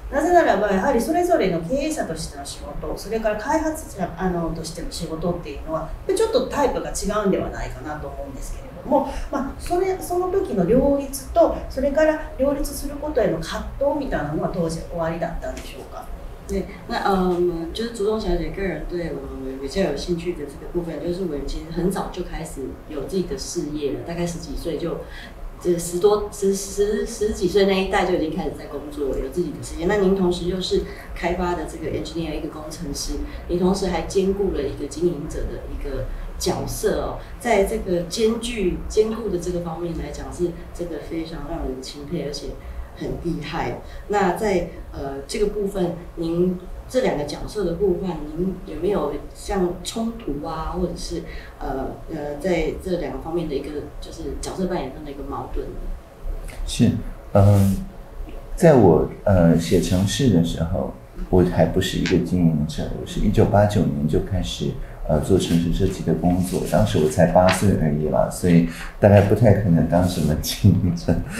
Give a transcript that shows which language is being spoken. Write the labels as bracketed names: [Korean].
[Japanese] なぜならばやはりそれぞれの経営者としての仕事、それから開発者としての仕事っていうのはちょっとタイプが違うんではないかなと思うんですけれども、まあ、その時の両立とそれから両立することへの葛藤みたいなのは当時終わりだったんでしょうか。 [Chinese] 对，那就是竹中小姐个人对我们比较有兴趣的这个部分，就是我们其实很早就开始有自己的事业了，大概十几岁就，十几岁那一代就已经开始在工作了，有自己的事业。那您同时又是开发的这个 engineer 一个工程师，您同时还兼顾了一个经营者的一个角色哦，在这个兼顾的这个方面来讲，是真的非常让人钦佩，而且很厉害。那在这个部分，您这两个角色的互换，您有没有像冲突啊，或者是在这两个方面的一个就是角色扮演上的一个矛盾呢？是，在我写程式的时候，我还不是一个经营者，我是1989年就开始做程式设计的工作，当时我才8岁而已了，所以大概不太可能当什么经营者。